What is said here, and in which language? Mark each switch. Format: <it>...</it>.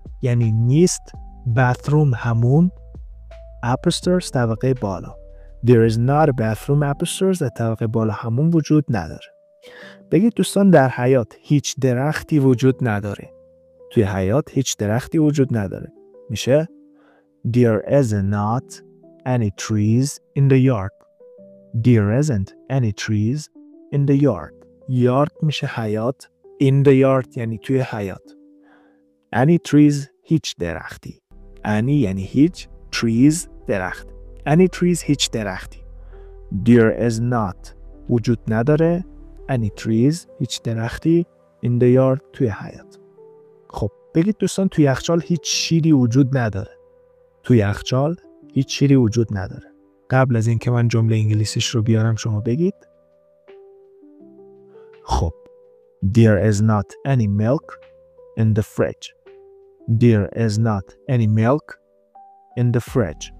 <fa>یعنی نیست، باثروم همون، اپستورز طبقه بالا.</fa> <en>There is not a bathroom upstairs،</en> <fa>طبقه بالا همون وجود نداره. بگید دوستان در حیات هیچ درختی وجود نداره. توی حیات هیچ درختی وجود نداره. میشه؟</fa> <en>There is not any trees in the yard. There isn't any trees in the yard. Yard</en> <fa>میشه حیات.</fa> <en>In the yard</en> <fa>یعنی توی حیات.</fa> <en>Any trees،</en> <fa>هیچ درختی. Any یعنی هیچ، trees درخت.</fa> <en>Any trees،</en> <fa>هیچ درختی.</fa> <en>There is not،</en> <fa>وجود نداره.</fa> <en>Any trees،</en> <fa>هیچ درختی.</fa> <en>In the yard،</en> <fa>توی حیات. خب بگید دوستان توی یخچال هیچ شیری وجود نداره. توی یخچال هیچ شیری وجود نداره. قبل از این که من جمله انگلیسیش رو بیارم شما بگید. خب</fa> <en>There is not any milk in the fridge. There is not any milk in the fridge.</en>